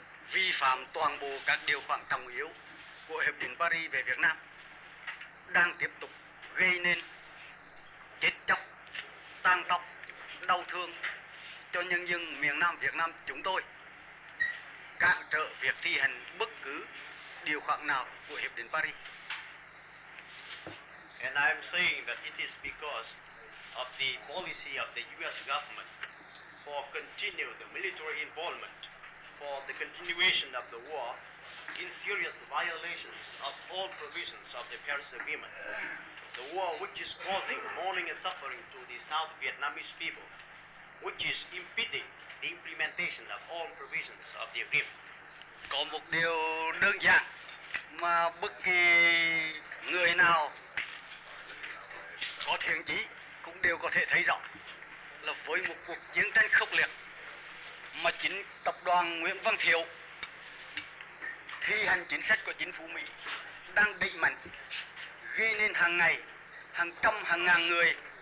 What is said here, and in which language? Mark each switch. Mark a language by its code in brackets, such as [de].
[vi] vi phạm toàn bộ các điều khoản trọng yếu của Hiệp định Paris về Việt Nam đang tiếp tục gây nên chết chóc, tang tóc, đau thương cho nhân dân miền Nam Việt Nam chúng tôi, cản trở việc thi hành bất cứ điều khoản nào của Hiệp định Paris. [en] And I'm saying that it is because of the policy of the U.S. government for continued military involvement, for the continuation of the war, in serious violations of all provisions of the Paris Agreement. The war which is causing mourning and suffering to the South Vietnamese people, which is impeding the implementation of all provisions of the agreement. [vi] Có một điều đơn giản mà bất kỳ người nào có thiện chí cũng đều có thể thấy rõ là với một cuộc chiến tranh khốc liệt mà chính tập đoàn Nguyễn Văn Thiệu thi hành chính sách của chính phủ Mỹ đang đẩy mạnh gây nên hàng ngày hàng trăm hàng ngàn người